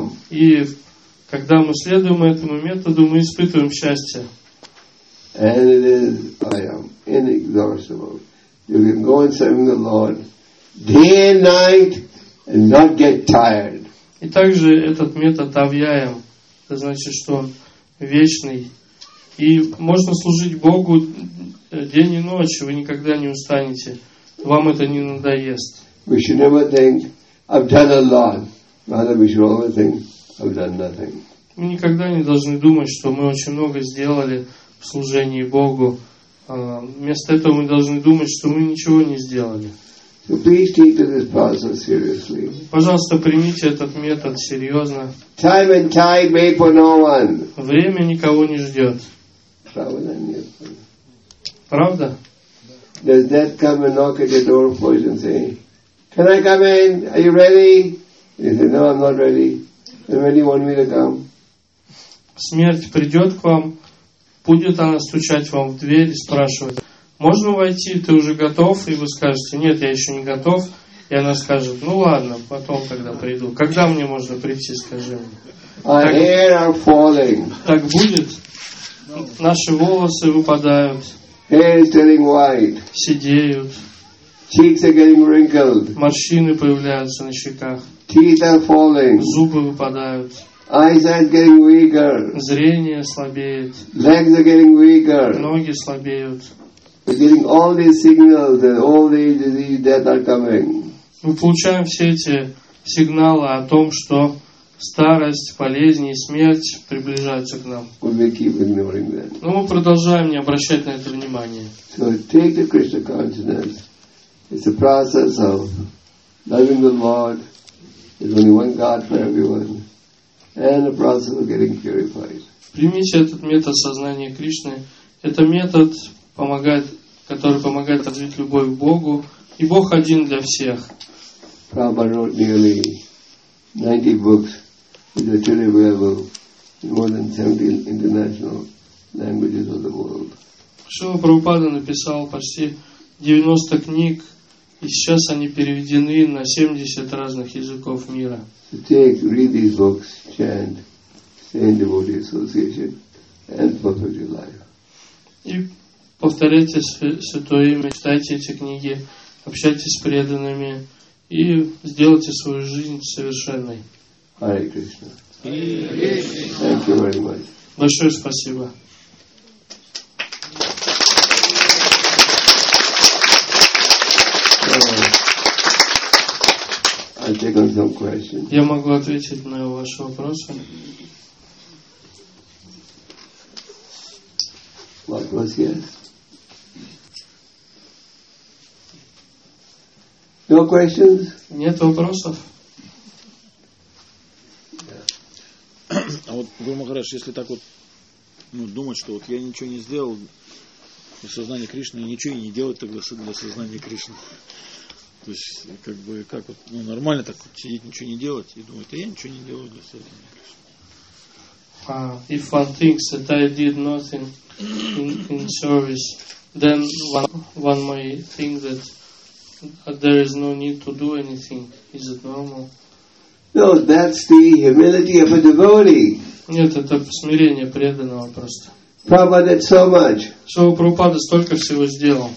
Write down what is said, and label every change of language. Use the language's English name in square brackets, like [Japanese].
[Russian] И когда мы следуем этому методу, мы испытываем счастье. [English] And it is, I am inexhaustible. You can go and serve the Lord day and night and not get tired. [Russian] И также этот метод Авьяям, это значит, что он вечный. И можно служить Богу день и ночь, вы никогда не устанете. Вам это не надоест. [English] We should never think, I've done a lot. Rather, we should always think, I've done nothing. [Russian] Мы никогда не должны думать, что мы очень много сделали в служении Богу. Вместо этого мы должны думать, что мы ничего не сделали. [English] So please take this process seriously. [Russian] Пожалуйста, примите этот метод серьезно. [English] Time and tide wait for no one. [Russian] Время никого не ждет. Правда? Нет. Правда? [English] Does death come and knock at your door for you and say, "Can I come in? Are you ready?" He said, "No, I'm not ready." And when do you want me to come? [Russian] Смерть придет к вам, будет она стучать вам в дверь и спрашивать: можно войти, ты уже готов? И вы скажете: нет, я еще не готов. И она скажет: ну ладно, потом когда приду. Когда мне можно прийти, скажи мне. [English] Our hair are falling. [Russian] Так будет? Наши волосы выпадают. [English] Hair is turning white. [Russian] Сидеют. [English] Cheeks are getting wrinkled. [Russian] Морщины появляются на щеках. [English] Teeth are falling. [Russian] Зубы выпадают. [English] Eyesight getting weaker. [Russian] Зрение слабеет. [English] Legs are getting weaker. [Russian] Ноги слабеют. [English] We're getting all these signals that all these diseases that are coming. [Russian] Мы получаем все эти сигналы о том, что старость, болезни и смерть приближаются к нам. [English] We keep ignoring that. [Russian] Но мы продолжаем не обращать на это внимания. [English] So take the Krishna consciousness. It's a process of loving the Lord. There's only one God for everyone. And the process of getting purified. [Russian] Примите этот метод сознания Кришны. Это метод, помогает, который помогает развить любовь к Богу, и Бог один для всех. [English] Prabhupada wrote nearly 90 books which are truly available in more than 70 international languages of the world. [Russian] Шрила Прабхупада написал почти 90 книг, и сейчас они переведены на 70 разных языков мира. [English] So take, read these books, chant, stay in devotee association, and perfect your life. [Russian] Повторяйте святое имя, читайте эти книги, общайтесь с преданными и сделайте свою жизнь совершенной. [English] Hare Krishna. Thank you very much. [Russian] Большое спасибо. [English] I'll take on some questions. [Russian] Я могу ответить на ваши вопросы. [English] What was yes? No questions? [Russian] Нет вопросов. А вот, Гуру Махарадж, если так вот думать, что вот я ничего не сделал для сознания Кришны, и ничего и не делать тогда для сознания Кришны. То есть, как бы, как вот, ну, нормально так вот сидеть, ничего не делать, и думать, а я ничего не делаю для сознания Кришны. [English] If one thinks that I did nothing in service, then one may think that there is no need to do anything. Is it normal? No, that's the humility of a devotee. [Russian] Нет, это смирение преданного просто. [English] Prabhupada did so much. [Russian] Шрила Прабхупада столько всего сделал.